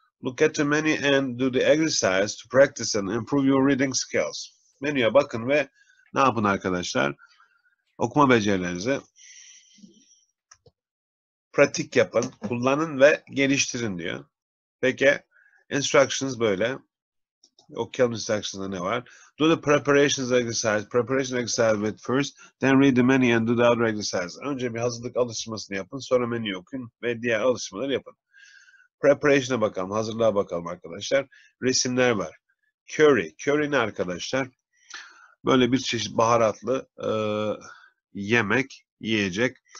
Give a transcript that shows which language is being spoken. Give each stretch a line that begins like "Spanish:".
English: Look at the menu and do the exercise to practice and improve your reading skills.
Turkish: Menüye bakın ve ne yapın arkadaşlar? Okuma becerilerinizi pratik yapın, kullanın ve geliştirin diyor. Peki, instructions böyle. Okuyalım instructions'da ne var?
English: Do the preparations exercise, preparation exercise with first, then read the menu and do the other exercise.
Turkish: Önce bir hazırlık alışmasını yapın, sonra menüyü okuyun ve diğer alışmaları yapın. Preparation'a bakalım, hazırlığa bakalım arkadaşlar. Resimler var. Curry. Curry ne arkadaşlar? Böyle bir çeşit baharatlı yemek, yiyecek.